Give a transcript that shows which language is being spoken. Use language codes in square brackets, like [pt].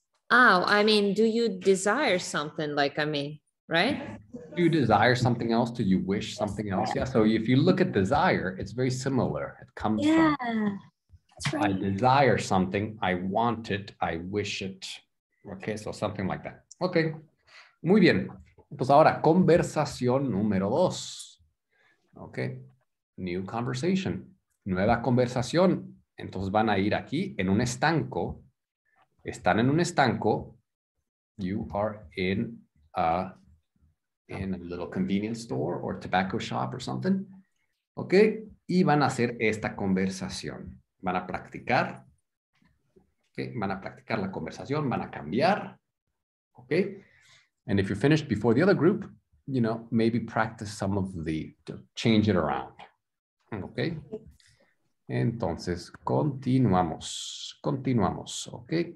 [en] Oh, I mean, do you desire something like, I mean, right? Do you desire something else? Do you wish something else? Yeah, so if you look at desire, it's very similar. It comes from, that's right. I desire something, I want it, I wish it. Okay, so something like that. [es] Okay, muy bien. Entonces ahora, conversación número dos. [en] Okay, new conversation. [es] Nueva conversación. Entonces van a ir aquí en un estanco. Están en un estanco. [en] You are in a little convenience store or tobacco shop or something. Okay. [es] Y van a hacer esta conversación. Van a practicar. Okay. Van a practicar la conversación. Van a cambiar. Okay. [en] And if you're finished before the other group, you know, maybe practice some of the, to change it around. Okay. [es] Entonces, continuamos, ¿ok?